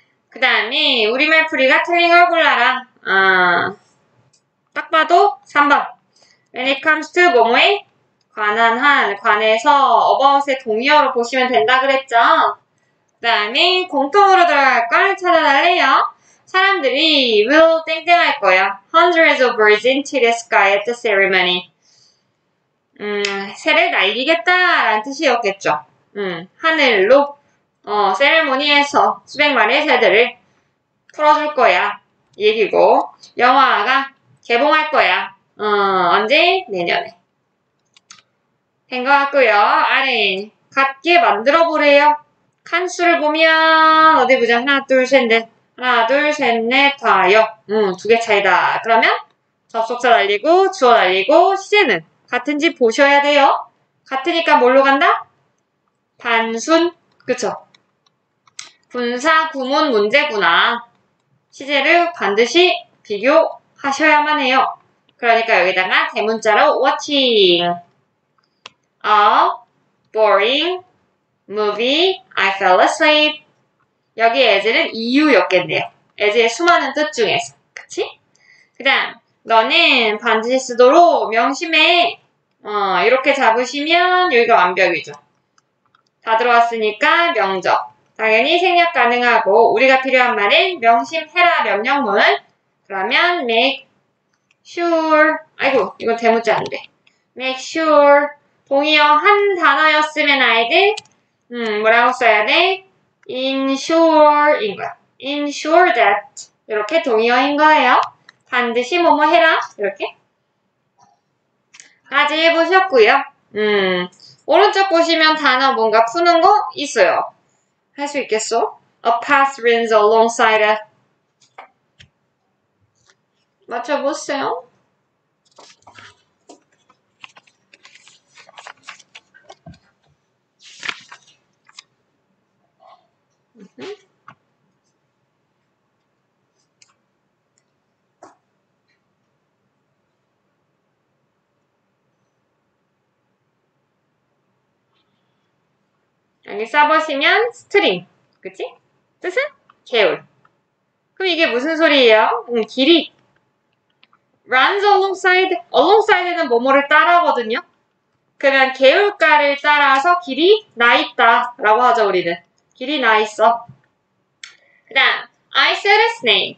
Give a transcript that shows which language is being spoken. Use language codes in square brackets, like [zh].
[ko] 그 다음에 우리말 풀이가 틀린 걸 골라라. 딱 봐도 3번. [en] when it comes to [ko] 뭐뭐에 관한 한, 관해서 about의 동의어로 보시면 된다 그랬죠. 그 다음에 공통으로 들어갈 걸 찾아달래요. 사람들이 [en] will [ko] 땡땡할 거예요. [en] Hundreds of birds into the sky at the ceremony. [ko] 새를 날리겠다라는 뜻이었겠죠. 하늘로 세레모니에서 수백만의 새들을 풀어줄 거야. 얘기고 영화가 개봉할 거야. 언제? 내년에. 된것 같고요. 아린, 같게 만들어 보래요. 칸수를 보면 어디 보자. 하나, 둘, 셋, 넷. 하나, 둘, 셋, 넷, 다요. 두개 차이다. 그러면 접속사 날리고 주어 날리고 시제는 같은지 보셔야 돼요. 같으니까 뭘로 간다? 단순, 그쵸? 분사 구문 문제구나. 시제를 반드시 비교하셔야만 해요. 그러니까 여기다가 대문자로 [en] watching a boring movie, I fell asleep. [ko] 여기 as는 이유였겠네요. as의 수많은 뜻 중에서. 그치? 그 다음, 너는 반드시 쓰도록 명심해. 이렇게 잡으시면 여기가 완벽이죠. 다 들어왔으니까 명적. 당연히 생략 가능하고, 우리가 필요한 말은 명심해라 명령문. 그러면 [en] make sure, [ko] 아이고, 이건 대문자 안 돼. [en] make sure, [ko] 동의어 한 단어였으면 아이들, 뭐라고 써야 돼? ensure인 거야. [en] ensure that. [ko] 이렇게 동의어인 거예요. 반드시 뭐뭐 해라. 이렇게. 까지 해보셨고요. 오른쪽 보시면 단어 뭔가 푸는 거 있어요. 할수 있겠어? [en] A path runs alongside it. [ko] 맞춰보세요. 여기 써보시면 스트링, 그치? 뜻은 개울. 그럼 이게 무슨 소리예요? 길이. [en] runs alongside, [ko] alongside는 뭐뭐를 따라하거든요. 그러면 개울가를 따라서 길이 나 있다라고 하죠, 우리는. 길이 나 있어. 그 다음, [en] I saw a snake.